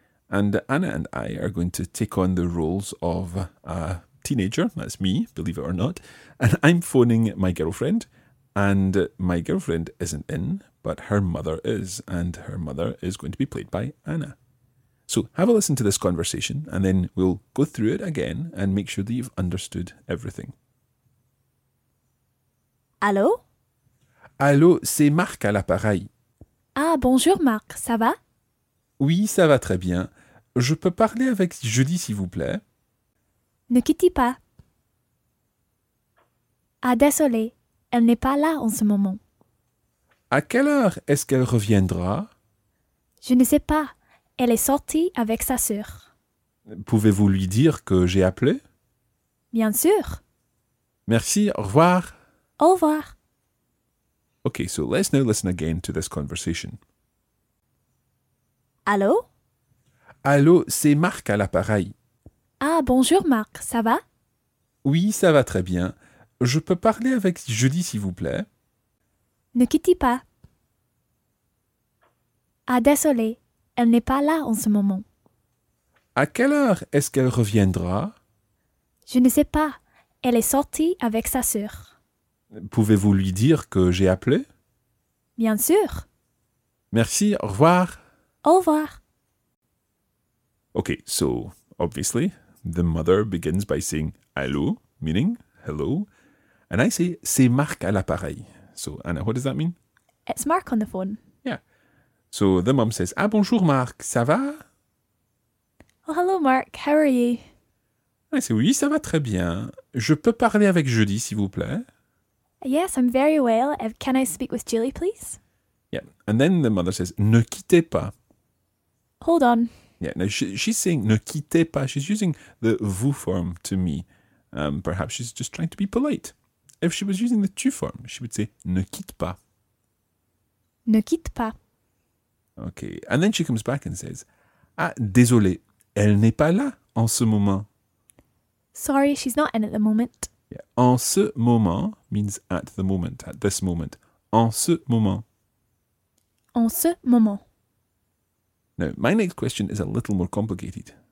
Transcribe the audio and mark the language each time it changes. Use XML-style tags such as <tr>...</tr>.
<en>And Anna and I are going to take on the roles of a teenager, that's me, believe it or not, and I'm phoning my girlfriend, and my girlfriend isn't in, but her mother is, and her mother is going to be played by Anna. So have a listen to this conversation, and then we'll go through it again and make sure that you've understood everything.</en> <fr>Allô? Allô, c'est Marc à l'appareil. Ah, bonjour Marc, ça va? Oui, ça va très bien. Je peux parler avec Julie, s'il vous plaît? Ne quittez pas. Ah, désolé, elle n'est pas là en ce moment. À quelle heure est-ce qu'elle reviendra? Je ne sais pas. Elle est sortie avec sa sœur. Pouvez-vous lui dire que j'ai appelé? Bien sûr. Merci, au revoir. Au revoir.</fr> <en>Okay, so let's now listen again to this conversation.</en> <fr>Allô? Allô, c'est Marc à l'appareil. Ah, bonjour Marc, ça va? Oui, ça va très bien. Je peux parler avec Julie, s'il vous plaît? Ne quittez pas. Ah, désolé, elle n'est pas là en ce moment. À quelle heure est-ce qu'elle reviendra? Je ne sais pas. Elle est sortie avec sa sœur. Pouvez-vous lui dire que j'ai appelé? Bien sûr. Merci, au revoir. Au revoir.</fr> <en>Okay, so, obviously, the mother begins by saying allô, meaning hello, and I say</en> <fr>c'est Marc à l'appareil.</fr> <en>So, Anna, what does that mean? It's Marc on the phone. Yeah. So, the mum says,</en> <fr>ah, bonjour Marc, ça va?</fr> <en>Oh, hello Marc, how are you? I say,</en> <fr>oui, ça va très bien. Je peux parler avec Julie, s'il vous plaît?</fr> <en>Yes, I'm very well. Can I speak with Julie, please? Yeah. And then the mother says,</en> <fr>ne quittez pas.</fr> <en>Hold on. Yeah, now she's saying</en> <fr>ne quittez pas.</fr> <en>She's using the vous form to me. Perhaps she's just trying to be polite. If she was using the tu form, she would say</en> <fr>ne quitte pas. Ne quitte pas.</fr> <en>Okay, and then she comes back and says,</en> <fr>ah, désolé, elle n'est pas là en ce moment.</fr> <en>Sorry, she's not in at the moment. Yeah,</en> <fr>en ce moment</fr> <en>means at the moment, at this moment.</en> <fr>En ce moment. En ce moment.</fr> <en>Now, my next question is a little more complicated.</en>